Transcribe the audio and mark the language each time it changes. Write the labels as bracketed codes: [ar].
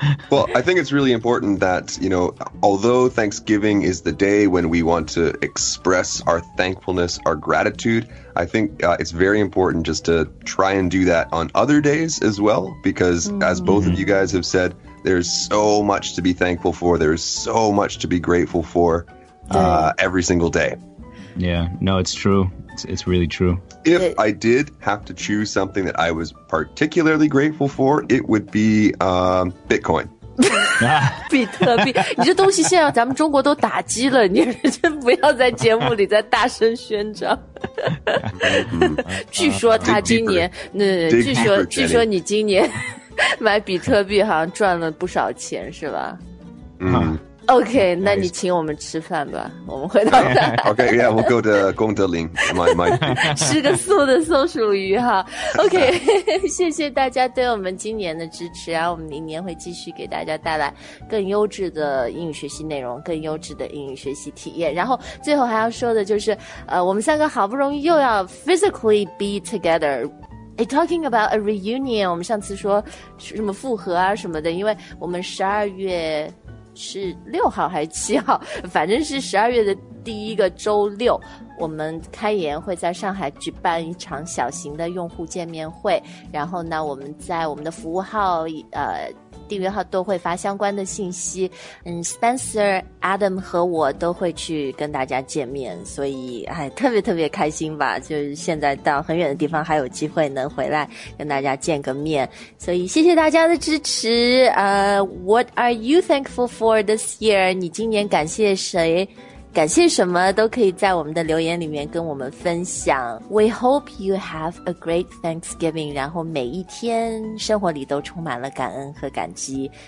[en] Well, I think it's really important that, you know, although Thanksgiving is the day when we want to express our thankfulness, our gratitude, I think it's very important just to try and do that on other days as well, because as both of you guys have said, there's so much to be thankful for. There's so much to be grateful for every single day. Yeah, no, it's true. It's really true. If I did have to choose something that I was particularly grateful for, it would be Bitcoin. [zh] 比特币，你这东西现在咱们中国都打击了，你真不要在节目里再大声宣张。据说他今年，据说你今年买比特币好像赚了不少钱，是吧？ [en] OK, nice. [zh] 那你请我们吃饭吧，我们回到家。 [en] OK, yeah, we'll go to 功德林 my [zh] 吃个素的松鼠鱼哈。 OK, 谢谢大家对我们今年的支持，然后我们明年会继续给大家带来更优质的英语学习内容，更优质的英语学习体验。然后最后还要说的就是，我们三个好不容易又要 [en] physically be together, [zh] 哎 ， [en] talking about a reunion， [zh] 我们上次说什么复合啊什么的，因为我们十二月是六号还是七号，反正是十二月的第一个周六，我们开研会在上海举办一场小型的用户见面会，然后呢，我们在我们的服务号订阅号都会发相关的信息，嗯 ，Spencer、Adam 和我都会去跟大家见面，所以哎，特别特别开心吧，就是现在到很远的地方还有机会能回来跟大家见个面，所以谢谢大家的支持。 [en] What are you thankful for this year？ [zh] 你今年感谢谁？感谢什么都可以在我们的留言里面跟我们分享。 [en] We hope you have a great Thanksgiving， [zh] 然后每一天生活里都充满了感恩和感激。